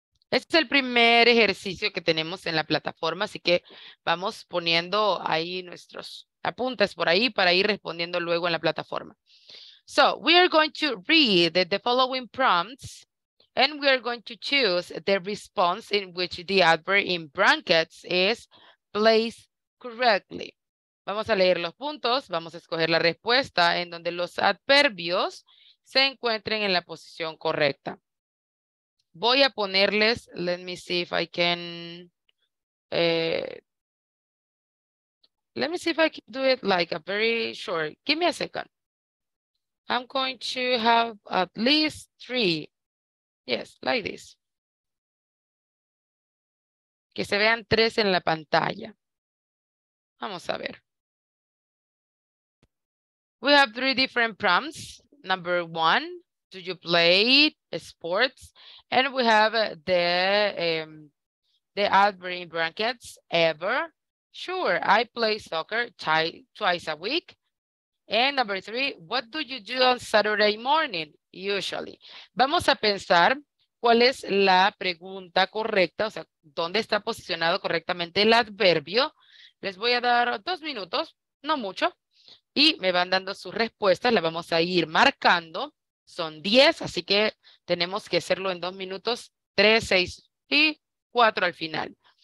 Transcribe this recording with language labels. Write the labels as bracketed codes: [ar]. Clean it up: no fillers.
[es] Este es el primer ejercicio que tenemos en la plataforma, así que vamos poniendo ahí nuestros apuntes por ahí para ir respondiendo luego en la plataforma. [en] So, we are going to read the following prompts, and we are going to choose the response in which the adverb in brackets is placed correctly. [es] Vamos a leer los puntos, vamos a escoger la respuesta en donde los adverbios se encuentren en la posición correcta. Voy a ponerles, [en] let me see if I can, let me see if I can do it like a very short, give me a second. I'm going to have at least three, yes, like this. [es] Que se vean tres en la pantalla. Vamos a ver. [en] We have three different prompts. Number one, do you play sports? And we have the adverb in brackets, ever. Sure, I play soccer twice a week. And number three, what do you do on Saturday morning, usually? [es] Vamos a pensar cuál es la pregunta correcta, o sea, dónde está posicionado correctamente el adverbio. Les voy a dar 2 minutos, no mucho, y me van dando sus respuestas, las vamos a ir marcando. Son 10, así que tenemos que hacerlo en 2 minutos, 3, 6 y 4 al final.